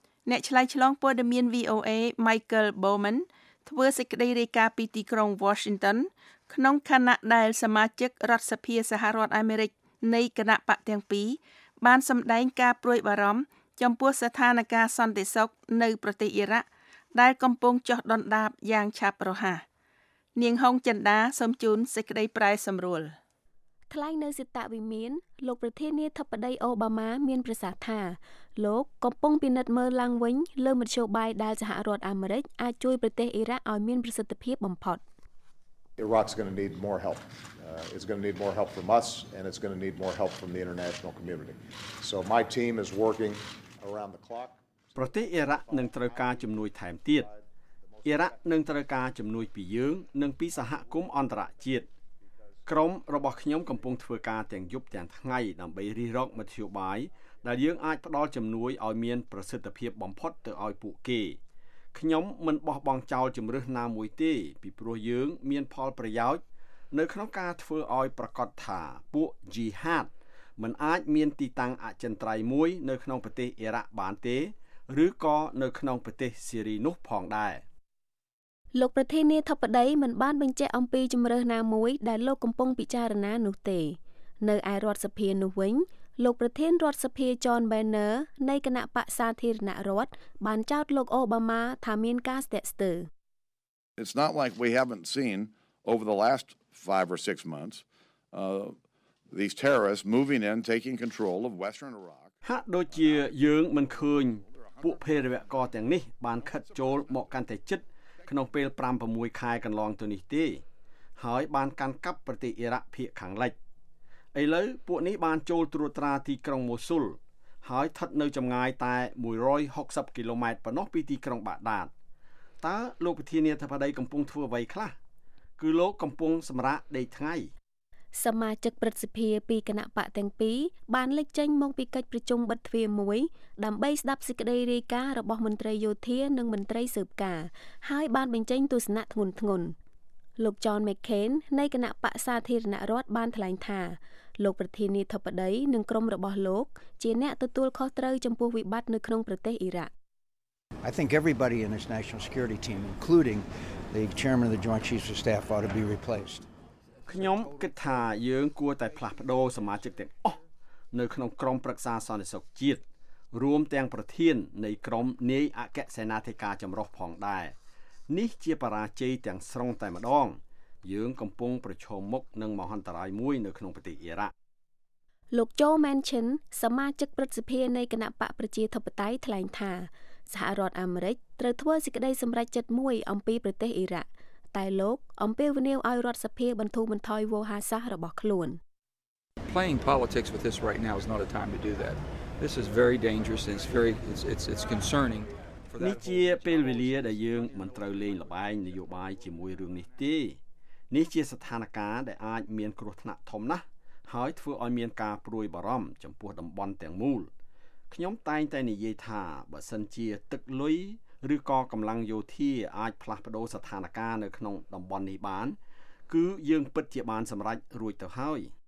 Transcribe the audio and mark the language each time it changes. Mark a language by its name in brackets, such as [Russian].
[Khmer] អ្នកឆ្លើយឆ្លងព័ត៌មាន VOA Michael Bowmanធ្វើសេចក្តីរាយការណ៍ពីទីក្រុង Washington ក្នុងខណៈដែលសមាជិករដ្ឋសភាសហរដ្ឋអាមេរិកនៃគណៈបកទាំងពីរបានសម្ដែងការព្រួយបារម្ភចំពោះស្ថានភាពសន្តិសុខនៅប្រទេសអ៊ីរ៉ាក់ដែលកំពុងចុះដុនដាបយ៉ាងឆាប់រហ័សនាងហុងចិនដាសូមជូនសេចក្តីប្រែសម្រួល ថ្លែងនៅសិតវិមានលោកប្រធានាធិបតីអូបាម៉ាមានប្រសាសន៍ថាលោកកំពុងពិនិត្យមើលឡើងវិញលើមធ្យោបាយដែលសហរដ្ឋអាមេរិកអាចជួយប្រទេសអ៊ីរ៉ាក់ឲ្យមានប្រសិទ្ធភាពបំផុត [English] Iraq's going to need more help. It's going to need more help from us and it's going to need more help from the international community. So my team is working around the clock. [Khmer] រទេសអ៊ីរ៉ាក់នឹងត្រូវការជំនួយថែមទៀតអ៊ីរ៉ាក់នឹងត្រូវការជំនួយពីយើងនិងពីសហគមន៍អន្តរជាតិក្រុមរបស់ខ្ញុំកំពុងធ្វើការទាំងយប់ទាំងថ្ងៃដើម្បីរិះរកមធ្យោបាយដែលយើងអាចផ្ដល់ជំនួយឲ្យមានប្រសិទ្ធភាពបំផុតទៅឲ្យពួកគេ ខ្ញុំមិនបោះបង់ចោលជំរឿនណាមួយទេពីព្រោះយើងមានផលប្រយោជន៍នៅក្នុងការធ្វើឲ្យប្រកាសថាពួកជីហាតមិនអាចមានទីតាំងអចិន្ត្រៃយ៍មួយនៅក្នុងប្រទេសអ៊ីរ៉ាក់បានទេឬក៏នៅក្នុងប្រទេសស៊ីរីនោះផងដែរ លោកប្រធានាធិបតីមិនបានបញ្ជាក់អំពីជំរឿនណាមួយដែលលោកកំពុងពិចារណានោះទេនៅឯរដ្ឋសភានោះវិញលោកប្រធានរដ្ឋសភាចនបេណឺនៃគណៈបក្សសាធារណរដ្ឋបានចោទលោកអូបាម៉ាថាមានការស្ទាក់ស្ទើរ [English] It's not like we haven't seen over the last 5 or 6 months these terrorists moving in taking control of western Iraq [Khmer] ហាក់ដូចជាយើងមិនឃើញពួកភេរវករទាំងនេះបានខិតចូលមកកាន់តែជិតក្នុងពេល 5-6 ខែកន្លងទៅនេះទេហើយបានកាន់កាប់ប្រទេសអ៊ីរ៉ាក់ភាគខាងលិចឥឡូវពួកនេះបានចូលត្រួតត្រាទីក្រុងម៉ូស៊ុលហើយស្ថិតនៅចម្ងាយតែ160គីឡូម៉ែត្រប៉ុណ្ណោះពីទីក្រុងបាក់ដាតតើលោកប្រធានាធិបតីកំពុងធ្វើអ្វីខ្លះគឺលោកកំពុងសម្រាកដេកថ្ងៃ សមាជិកព្រឹទ្ធសភាពីគណៈបកទាំងពីរបានលេចចេញមកពីកិច្ចប្រជុំបិទទ្វារមួយដើម្បីស្ដាប់សេចក្តីរាយការណ៍របស់មន្ត្រីយោធានិងមន្ត្រីស៊ើបការហើយបានបញ្ចេញទស្សនៈធ្ងន់ធ្ងរលោកចនមេខេននៃគណៈបកសាធារណរដ្ឋបានថ្លែងថាលោកប្រធានាធិបតីនិងក្រុមរបស់លោកជាអ្នកទទួលខុសត្រូវចំពោះវិបត្តិនៅក្នុងប្រទេសអ៊ីរ៉ាក់ [English] I think everybody in this national security team including the chairman of the joint chiefs of staff ought to be replaced [Khmer] ខ្ញុំគិតថាយើងគួរតែផ្លាស់ប្តូរសមាជិកទាំងអស់នៅក្នុងក្រុមប្រឹក្សាសន្តិសុខជាតិរួមទាំងប្រធាននៃក្រុមនាយអគ្គសេនាធិការចម្រុះផងដែរនេះជាបរាជ័យទាំងស្រុងតែម្ដងយើងកំពុងប្រឈមមុខនឹងមហន្តរាយមួយនៅក្នុងប្រទេសអ៊ីរ៉ាក់លោកជូមែនឈិនសមាជិកព្រឹទ្ធសភានៃគណៈបកប្រជាធិបតេយ្យថ្លែងថាសហរដ្ឋអាមេរិកត្រូវធ្វើសេចក្តីសម្រេចចិត្តមួយអំពីប្រទេសអ៊ីរ៉ាក់តែលោកអំពាវនាវឲ្យរដ្ឋសភាបន្ធូរបន្ថយវោហារសាស្ត្ររបស់ខ្លួន [English] Playing politics with this right now is not a time to do that. This is very dangerous and it's concerning. [Khmer] នេះជាពេលវេលាដែលយើងមិនត្រូវលេងល្បែងនយោបាយជាមួយរឿងនេះទេនេះជាស្ថានភាពដែលអាចមានគ្រោះថ្នាក់ធំណាស់ហើយធ្វើឲ្យមានការព្រួយបារម្ភចំពោះតំបន់ទាំងមូលខ្ញុំតែងតែនិយាយថាបើសិនជាទឹកលុយឬក៏កម្លាំងយោធាអាចផ្លាស់ប្ដូរស្ថានភាពនៅក្នុងតំបន់នេះបានគឺយើងពិតជាបានសម្រេចរួចទៅហើយ